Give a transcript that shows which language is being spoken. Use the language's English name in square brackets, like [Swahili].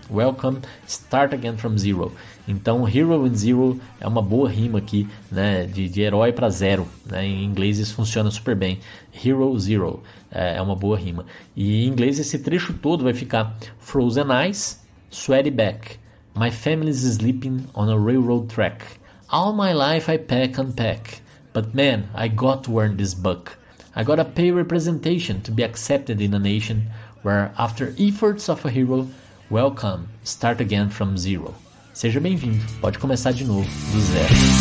[English] Welcome, start again from zero. [Portuguese] Então, hero and zero é uma boa rima aqui, né, de herói para zero, né? Em inglês isso funciona super bem. Hero, zero, é uma boa rima. E em inglês esse trecho todo vai ficar: [English] frozen eyes, sweaty back, my family's sleeping on a railroad track. All my life I pack and pack, but man, I got to earn this buck. I gotta pay representation to be accepted in a nation where, after efforts of a hero, welcome, start again from zero. [Portuguese] Seja bem-vindo, pode começar de novo, do zero.